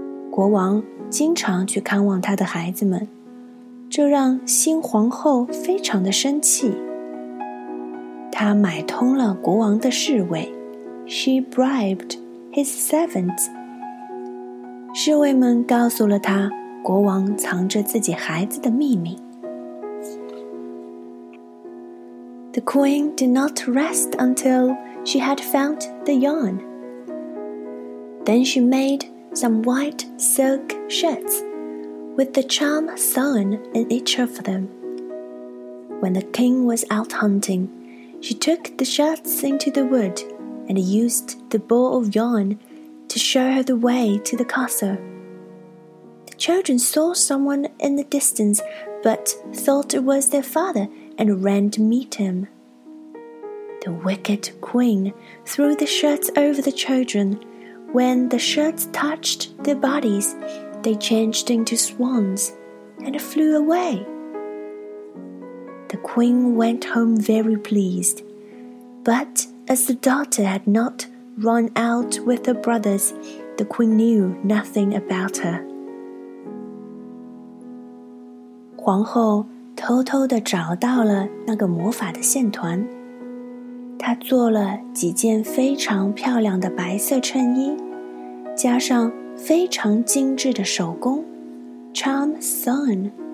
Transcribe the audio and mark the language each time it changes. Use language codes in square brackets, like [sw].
[zh] 国王经常去看望他的孩子们，这让新皇后非常的生气。她买通了国王的侍卫， [en] She bribed his servants. [zh] 侍卫们告诉了他国王藏着自己孩子的秘密。 [en] The queen did not rest until she had found the yarn. Then she made some white silk shirts with the charm sewn in each of them. When the king was out hunting, she took the shirts into the wood and used the ball of yarn to show her the way to the castle. Children saw someone in the distance, but thought it was their father and ran to meet him. The wicked queen threw the shirts over the children. When the shirts touched their bodies, they changed into swans and flew away. The queen went home very pleased. But as the daughter had not run out with her brothers, the queen knew nothing about her. [zh] 皇后偷偷地找到了那个魔法的线团，她做了几件非常漂亮的白色衬衣，加上非常精致的手工 [en] charm sewn。